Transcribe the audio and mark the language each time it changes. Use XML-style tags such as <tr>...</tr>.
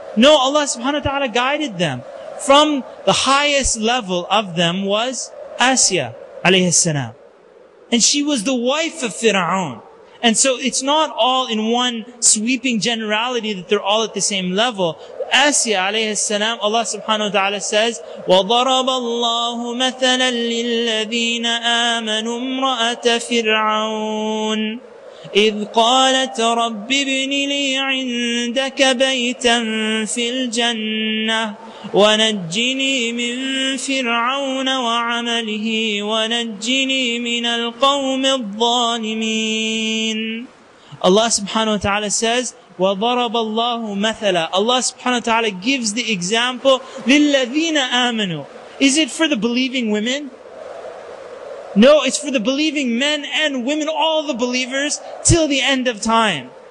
<en>No, Allah subhanahu wa ta'ala guided them. From the highest level of them was Asiya alayhi salam. And she was the wife of Fir'aun. And so it's not all in one sweeping generality that they're all at the same level.</en> <ar>Asiya alayhi salam, Allah subhanahu wa ta'ala says, وَضَرَبَ اللَّهُ مَثَلًا لِلَّذِينَ آمَنُوا امْرَأَةَ فِرْعَوْنَ إِذْ قَالَتْ رَبِّ ابْنِ لِي عِنْدَكَ بَيْتًا فِي الْجَنَّةِ وَنَجِّنِي مِنْ فِرْعَوْنَ وَعَمَلِهِ وَنَجِّنِي مِنَ الْقَوْمِ الظَّالِمِينَ.</ar> <en>Allah subhanahu wa ta'ala says,</en> <ar>وَضَرَبَ اللَّهُ مَثَلًا.</ar> <en>Allah subhanahu wa ta'ala gives the example,</en> <ar>لِلَّذِينَ آمَنُوا.</ar> <en>Is it for the believing women? No, it's for the believing men and women, all the believers, till the end of time.</en>